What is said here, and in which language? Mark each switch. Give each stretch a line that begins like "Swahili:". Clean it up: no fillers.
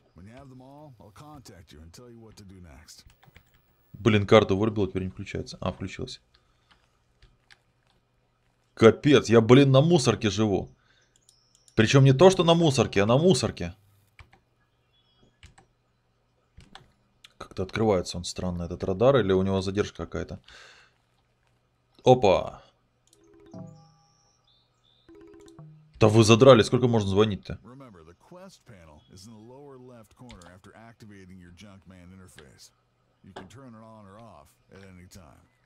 English: When you have them all, I'll contact you and tell you what to do next.
Russian: Блин, карту вырубил, теперь не включается. А, включилось. Капец, я, блин, на мусорке живу. Причем не то, что на мусорке, а на мусорке. Как-то открывается он странно, этот радар, или у него задержка какая-то. Опа. Да вы задрали, сколько можно звонить-то?
English: Remember, the quest panel is in the lower left corner after activating your Junkman interface. You can turn it on or off at any time.